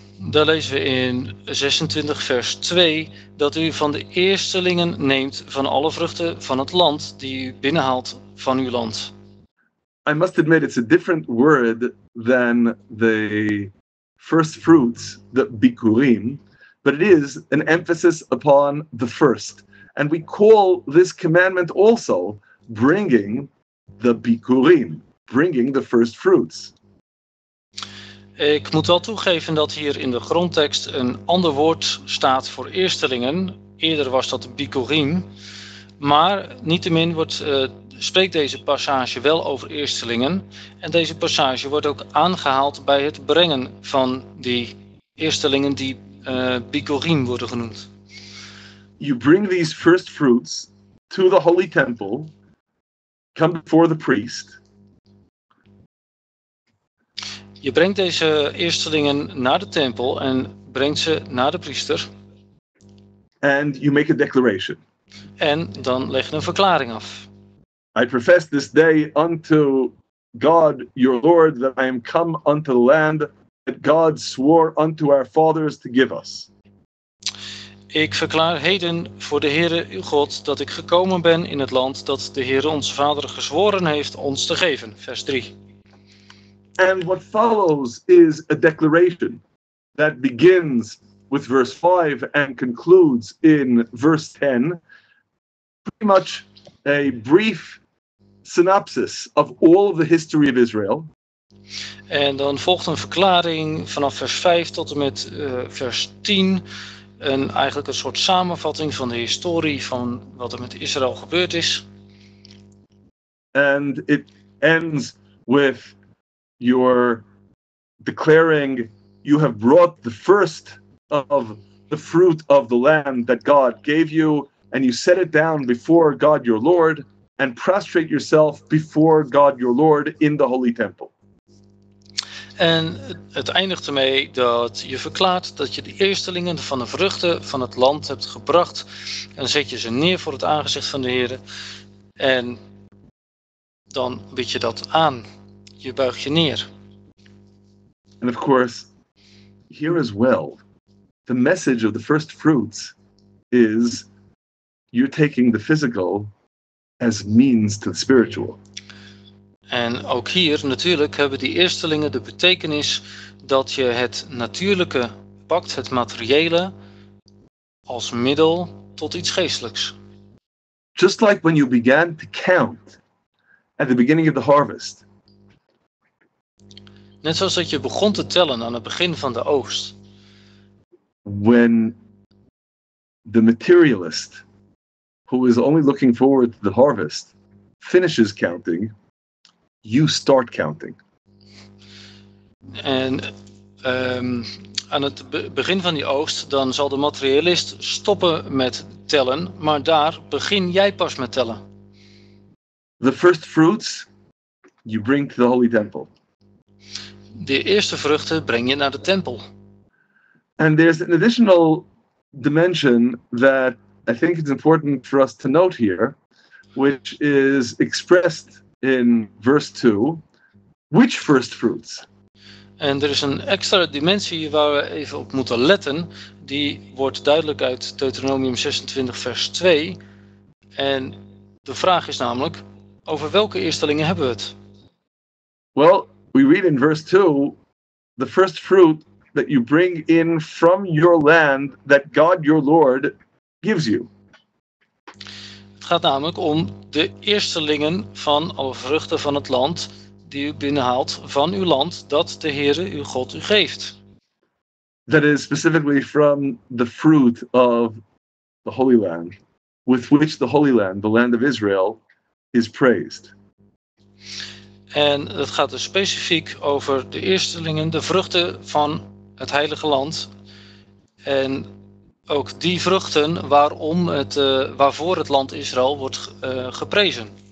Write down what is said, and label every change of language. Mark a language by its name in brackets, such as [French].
[Dutch] Daar lezen we in 26 vers 2 dat u van de eerstelingen neemt van alle vruchten van het land die u binnenhaalt van uw land. [English] I must admit it's a different word than the first fruits, the bikurim, but it is an emphasis upon the first. And we call this commandment also bringing the bikurim, bringing the first fruits. [Dutch] Ik moet wel toegeven dat hier in de grondtekst een ander woord staat voor eerstelingen. Eerder was dat bikurim. Maar niettemin spreekt deze passage wel over eerstelingen. En deze passage wordt ook aangehaald bij het brengen van die eerstelingen die bikurim worden genoemd. [English] You bring these first fruits to the holy temple, come before the priest. [Dutch] Je brengt deze eerstelingen naar de tempel en brengt ze naar de priester. [English] And you make a declaration. [Dutch] En dan leg je een verklaring af. [English] I profess this day unto God your Lord that I am come unto the land that God swore unto our fathers to give us. [Dutch] Ik verklaar heden voor de Heere uw God dat ik gekomen ben in het land dat de Heere onze vader gezworen heeft ons te geven. Vers 3. [English] And what follows is a declaration that begins with verse 5 and concludes in verse 10. Pretty much a brief synopsis of all of the history of Israel. [Dutch] En dan volgt een verklaring vanaf vers 5 tot en met vers 10. Eigenlijk een soort samenvatting van de historie van wat er met Israël gebeurd is. [English] And it ends with your declaring you have brought the first of the fruit of the land that God gave you, and you set it down before God your Lord and prostrate yourself before God your Lord in the holy temple. [Dutch] En het eindigt ermee dat je verklaart dat je de eerstelingen van de vruchten van het land hebt gebracht en zet je ze neer voor het aangezicht van de Heere en dan bied je dat aan. Je buigt je neer. [English] And of course, here as well, the message of the first fruits is you're taking the physical as means to the spiritual. [Dutch] En ook hier natuurlijk hebben die eerstelingen de betekenis dat je het natuurlijke pakt, het materiële, als middel tot iets geestelijks. [English] Just like when you began to count at the beginning of the harvest. [Dutch] Net zoals dat je begon te tellen aan het begin van de oogst. [English] When the materialist, who is only looking forward to the harvest, finishes counting, you start counting. [Dutch] En aan het begin van die oogst, dan zal de materialist stoppen met tellen, maar daar begin jij pas met tellen. [English] The first fruits you bring to the holy temple. [Dutch] De eerste vruchten breng je naar de tempel. [English] And there's an additional dimension that I think it's important for us to note here, which is expressed in verse 2, which first fruits? [Dutch] En er is een extra dimensie waar we even op moeten letten. Die wordt duidelijk uit Deuteronomium 26 vers 2. En de vraag is namelijk, over welke eerstelingen hebben we het? [English] Well, we read in verse 2, the first fruit that you bring in from your land that God your Lord gives you. [Dutch] Het gaat namelijk om de eerstelingen van alle vruchten van het land die u binnenhaalt van uw land dat de Heere uw God u geeft. [English] That is specifically from the fruit of the Holy Land, with which the Holy Land, the land of Israel, is praised. [Dutch] En dat gaat dus specifiek over de eerstelingen, de vruchten van het Heilige Land. En ook die vruchten waarvoor het land Israël wordt geprezen.